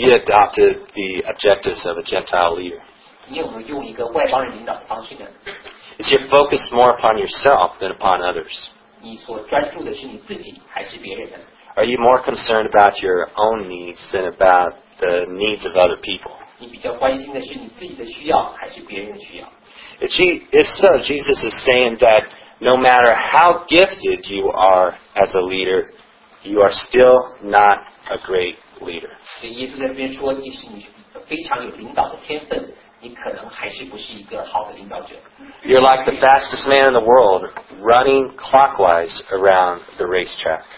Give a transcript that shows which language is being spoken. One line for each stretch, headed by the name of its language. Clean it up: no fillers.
English: you adopted the objectives of a Gentile leader?
Chinese: 你有没有用一个外邦人领导的方式呢？
English: Is your focus more upon yourself than upon others?
Chinese: 你所专注的是你自己还是别人的？
English: Are you more concerned about your own needs than about the needs of other people?
Chinese: 你比较关心的是你自己的需要还是别人的需要？
English: If so, Jesus is saying that no matter how gifted you are as a leader, you are still not a great leader.
Chinese: 所以耶稣在那边说，即使你非常有领导的天分。
English: You're like the fastest man in the world running clockwise around the racetrack.